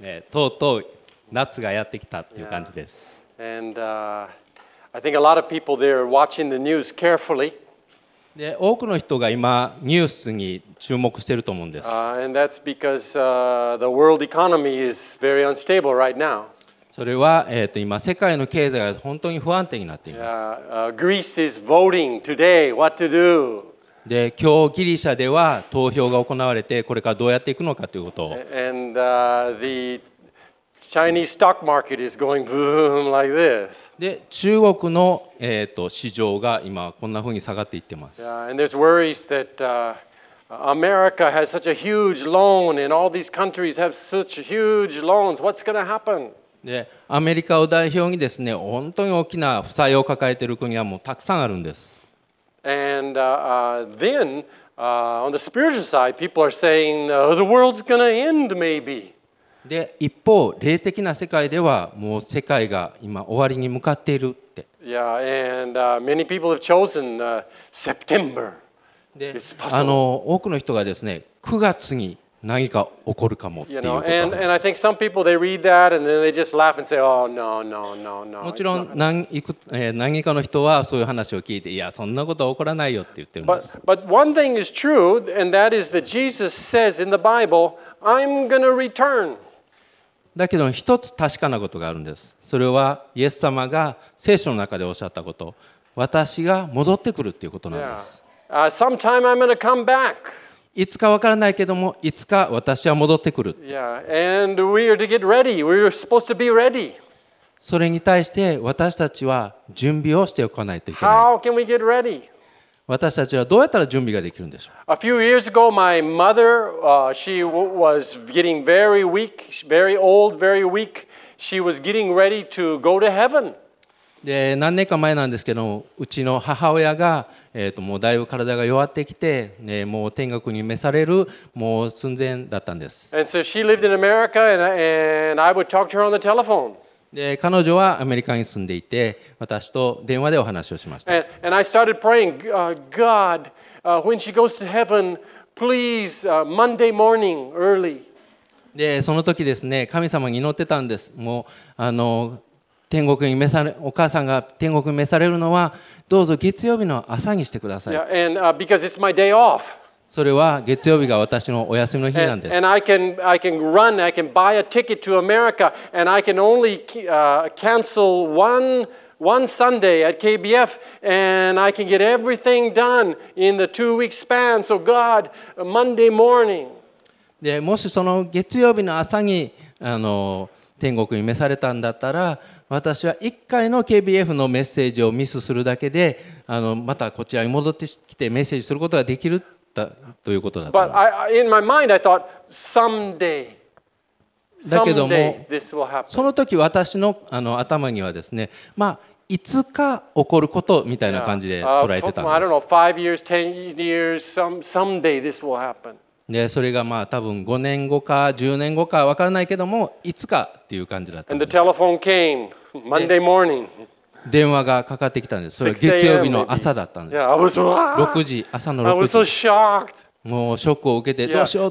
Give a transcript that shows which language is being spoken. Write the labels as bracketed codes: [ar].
[ja] とうとう夏がやってきたっていう感じです。 [en] And I think a lot of people there are watching the news carefully. [ja] で、多くの人が今ニュースに注目していると思うんです。 [en] And that's because the world economy is very unstable right now. [ja] それは、今世界の経済が本当に不安定になっています。 [en] Greece is voting today. What to do? [ja] で、今日ギリシャでは投票が行われて、これからどうやっていくのかということを。 [en] And the Chinese stock market is going boom like this. [ja] で、中国の、市場が今こんなふうに下がっていってます。 [en] And there's worries that America has such a huge loan, and all these countries have such huge loans. What's going to happen? [ja] でアメリカを代表にですね、本当に大きな負債を抱えている国はもうたくさんあるんです。 [en] And then on the spiritual side, people are saying the world's going to end maybe. [ja] で一方霊的な世界ではもう世界が今終わりに向かっているって。 [en] Yeah, and many people have chosen September. [ja] で多くの人がですね、9月に。何か起こるかもっていうことです。 [en] And I think some people they read that and then they just laugh and say, oh no no no no. [ja] もちろん何かの人はそういう話を聞いて、いやそんなことは起こらないよって言ってるんです。 [en] But one thing is true, and that is that Jesus says in the Bible, I'm gonna return. [ja] だけど一つ確かなことがあるんです。それはイエス様が聖書の中でおっしゃったこと、私が戻ってくるっていうことなんです。 [en] Sometime I'm gonna come back. [ja] いつか分からないけどもいつか私は戻ってくる。 [en] Yeah, and we are to get ready. We are supposed to be ready. [ja] それに対して私たちは準備をしておかないといけない。 [en] How can we get ready? [ja] 私たちはどうやったら準備ができるんでしょう。 [en] A few years ago, my mother, she was getting very weak, very old, very weak. She was getting ready to go to heaven. [ja] で何年か前なんですけど、うちの母親が、もうだいぶ体が弱ってきて、ね、もう天国に召されるもう寸前だったんです。 [en] And so she lived in America, and I would talk to her on the telephone. [ja] で彼女はアメリカに住んでいて、私と電話でお話をしました。 [en] And I started praying, God, when she goes to heaven, please, Monday morning, early. [ja] でその時ですね、神様に祈ってたんです。もう天国に召され、お母さんが天国に召されるのはどうぞ月曜日の朝にしてください。 [en] Yeah, and, because it's my day off. [ja] それは月曜日が私のお休みの日なんです。 [en] And I can run, I can buy a ticket to America, and I can only cancel one Sunday at KBF, and I can get everything done in the two-week span. So God, Monday morning. [ja] で、もしその月曜日の朝に天国に召されたんだったら、私は1回の KBF のメッセージをミスするだけで、またこちらに戻ってきてメッセージすることができるということだったんです。 [en] But in my mind, I thought, someday, [ja] だけども [en] 、someday this will happen. [ja] その時私の、頭にはですね、まあ、いつか起こることみたいな感じで捉えてたんです。 [en] I don't know, 5 years, 10 years, someday this will happen. [ja] でそれがまあ多分5年後か10年後か分からないけども、いつかっていう感じだったんです。 [en] And the telephone came Monday morning. [ja] 電話がかかってきたんです。それは月曜日の朝だったんです。 [en] yeah, I was, [ja] 6時朝の6時 [en] I was so shocked. [ja] もうショックを受けて、どうしよう、